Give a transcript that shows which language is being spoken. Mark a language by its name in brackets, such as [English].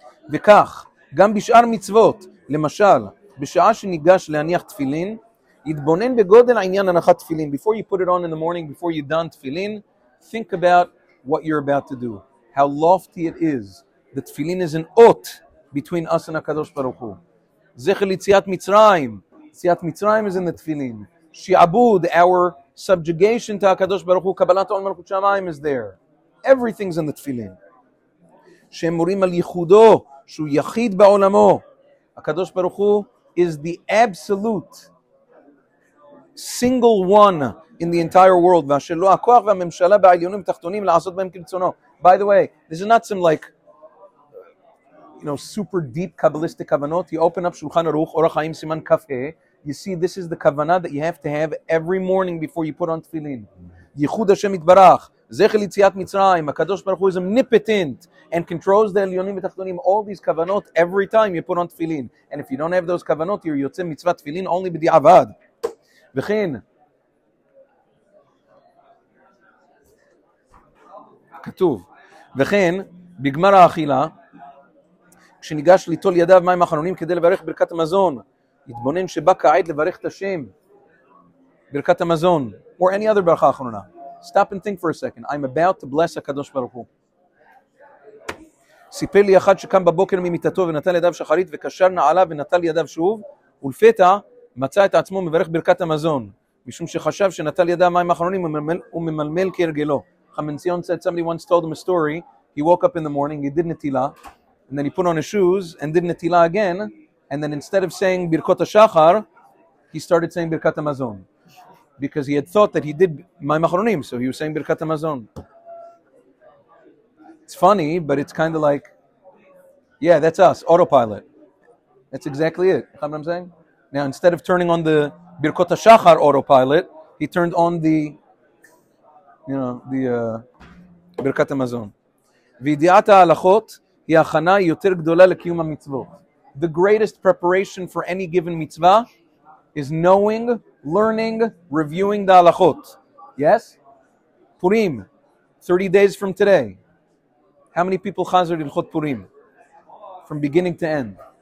[Hebrew] וכך, גם בשאר מצוות, למשל, בשעה שניגש להניח תפילין, יתבונן בגודל העניין הנחת תפילין. [English] Before you put it on in the morning, before you don תפילין, think about what you're about to do. How lofty it is. The תפילין is an אות between us and הקדוש ברוך הוא. [Hebrew] זכר ליציאת מצרים. [English] יציאת מצרים is in the תפילין. שיעבוד, our subjugation to הקדוש ברוך הוא, קבלת עול מלכות שמיים is there. Everything's in the תפילין. [Hebrew] שהם מורים על ייחודו, שהוא יחיד בעולמו. הקדוש ברוך הוא [English] is the absolute single one in the entire world, [Hebrew] ואשר לו הכוח והממשלה בעליונים ותחתונים לעשות בהם כרצונו. [English] By the way, this is not some like, you know, super deep Kabbalistic כוונות. You open up שולחן ערוך, אורח חיים סימן קפה, you see this is the כוונה that you have to have every morning before you put on תפילין. [Hebrew] ייחוד השם יתברך, זכר ליציאת מצרים, הקדוש ברוך הוא [English] is omnipotent and controls the עליונים ותחתונים, all these כוונות every time you put on תפילין. And if you don't have those כוונות, you're יוצא מצוות תפילין only בדיעבד. [Hebrew] וכן, כתוב, וכן, בגמר האכילה, כשניגש ליטול ידיו מים אחרונים כדי לברך ברכת המזון, יתבונן שבא כעת לברך את השם, ברכת המזון, [English] or any other [Hebrew] ברכה אחרונה. [English] Stop and think for a second. I'm about to bless הקדוש ברוך הוא. [Hebrew] סיפר לי אחד שקם בבוקר ממיטתו ונטל ידיו שחרית וקשר נעלה ונטל ידיו שוב, ולפתע מצא את עצמו מברך ברכת המזון, משום שחשב שנטל ידיו מים אחרונים וממלמל כרגלו. [English] Hamension said somebody once told him a story. He woke up in the morning, he did netila, and then he put on his shoes and did netila again, and then instead of saying birkot ha-shachar, he started saying birkat ha-mazon, because he had thought that he did mayim acharonim, so he was saying birkat ha-mazon. It's funny, but it's kind of like, yeah, that's us, autopilot. That's exactly it. You know what I'm saying? Now, instead of turning on the birkot ha-shachar autopilot, he turned on the, you know, the birkat ha-mazon. [Hebrew] וידיעת ההלכות היא הכנה יותר גדולה לקיום המצוות. [English] The greatest preparation for any given mitzvah is knowing, learning, reviewing the halachot. Yes? Purim, 30 days from today. How many people chazer ilchot Purim? From beginning to end.